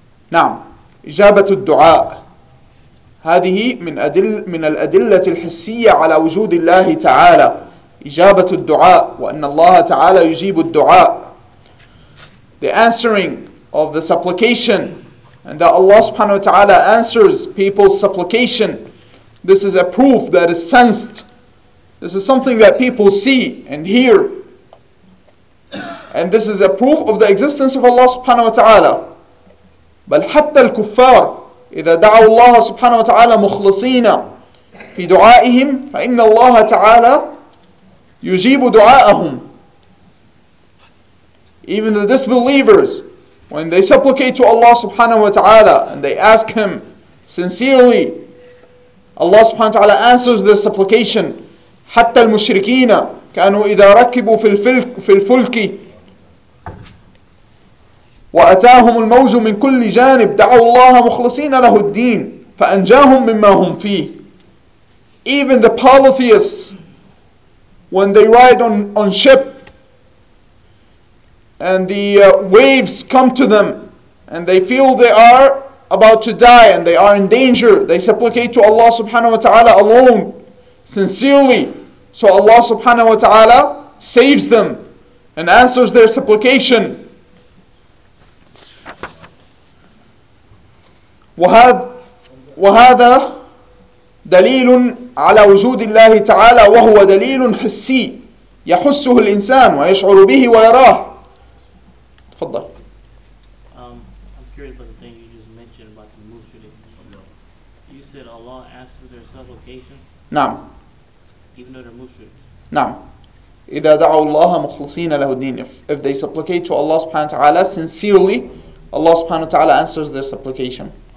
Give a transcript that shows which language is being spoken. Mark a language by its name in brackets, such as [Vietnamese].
[Arabic] نعم. إجابة الدعاء. هذه من الأدلة الحسية على وجود الله تعالى، إجابة الدعاء، وأن الله تعالى يجيب الدعاء. [English] The answering of the supplication, and that Allah subhanahu wa ta'ala answers people's supplication. This is a proof that is sensed. This is something that people see and hear. And this is a proof of the existence of Allah subhanahu wa ta'ala. [Arabic] بل حتى الكفار إذا دعوا الله سبحانه وتعالى مخلصين في دعائهم فإن الله تعالى يجيب دعائهم. [English] Even the disbelievers, when they supplicate to Allah سبحانه وتعالى and they ask Him sincerely, Allah سبحانه وتعالى answers their supplication. [Arabic] حتى المشركين كانوا إذا ركبوا في الفلك وأتاهم الموج من كل جانب دعوا الله مخلصين له الدين فأنجاهم مما هم فيه. [English] Even the polytheists, when they ride on ship and the waves come to them and they feel they are about to die and they are in danger, they supplicate to Allah subhanahu wa ta'ala alone, sincerely. So Allah subhanahu wa ta'ala saves them and answers their supplication. [Arabic] وهذا دليل على وجود الله تعالى وهو دليل حسي يحسه الإنسان ويشعر به ويراه. تفضل. [English] I'm curious about the thing you just mentioned about the mushrik. You said Allah answers their supplication. [Arabic] نعم. [English] Even though they're mushrik. [Arabic] نعم. إذا دعوا الله مخلصين له الدين. [English] If they supplicate to Allah سبحانه وتعالى sincerely, Allah سبحانه وتعالى answers their supplication.